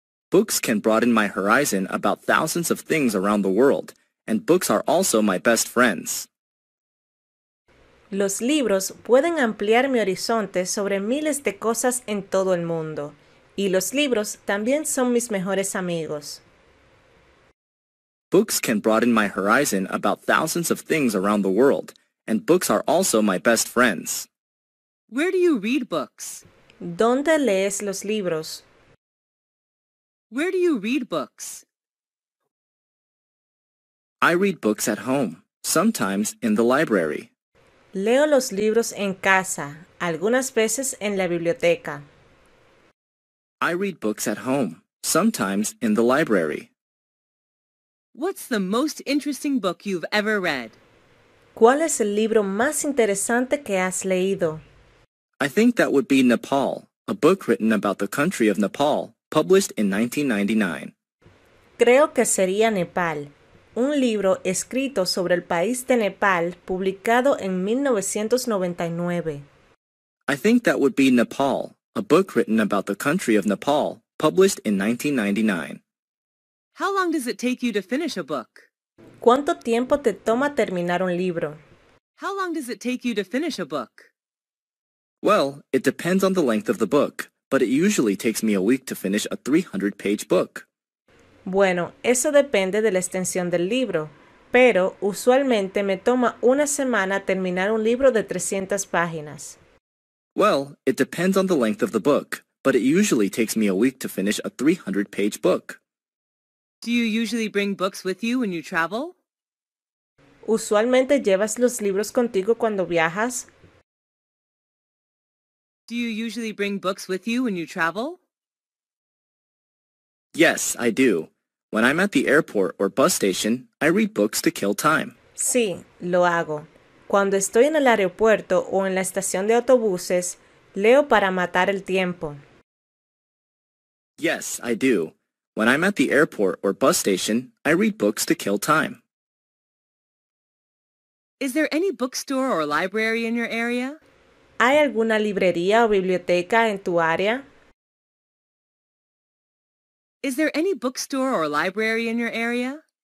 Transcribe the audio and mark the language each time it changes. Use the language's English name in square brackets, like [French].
[English] Books can broaden my horizon about thousands of things around the world, and books are also my best friends. [Spanish] Los libros pueden ampliar mi horizonte sobre miles de cosas en todo el mundo, y los libros también son mis mejores amigos. [English] Books can broaden my horizon about thousands of things around the world, and books are also my best friends. Where do you read books? [Spanish] ¿Dónde lees los libros? [English] Where do you read books? I read books at home, sometimes in the library. [Spanish] Leo los libros en casa, algunas veces en la biblioteca. [English] I read books at home, sometimes in the library. What's the most interesting book you've ever read? [Spanish] ¿Cuál es el libro más interesante que has leído? [English] I think that would be Nepal, a book written about the country of Nepal, published in 1999. [Spanish] Creo que sería Nepal, un libro escrito sobre el país de Nepal, publicado en 1999. [English] I think that would be Nepal, a book written about the country of Nepal, published in 1999. How long does it take you to finish a book? [Spanish] ¿Cuánto tiempo te toma terminar un libro? [English] How long does it take you to finish a book? Well, it depends on the length of the book, but it usually takes me a week to finish a 300-page book. [Spanish] Bueno, eso depende de la extensión del libro, pero usualmente me toma una semana terminar un libro de 300 páginas. [English] Well, it depends on the length of the book, but it usually takes me a week to finish a 300-page book. Do you usually bring books with you when you travel? [Spanish] ¿Usualmente llevas los libros contigo cuando viajas? [English] Do you usually bring books with you when you travel? Yes, I do. When I'm at the airport or bus station, I read books to kill time. [Spanish] Sí, lo hago. Cuando estoy en el aeropuerto o en la estación de autobuses, leo para matar el tiempo. [English] Yes, I do. When I'm at the airport or bus station, I read books to kill time. Is there any bookstore or library in your area? [Spanish] ¿Hay alguna librería o biblioteca en tu área? [English] Is there any bookstore or library in your area?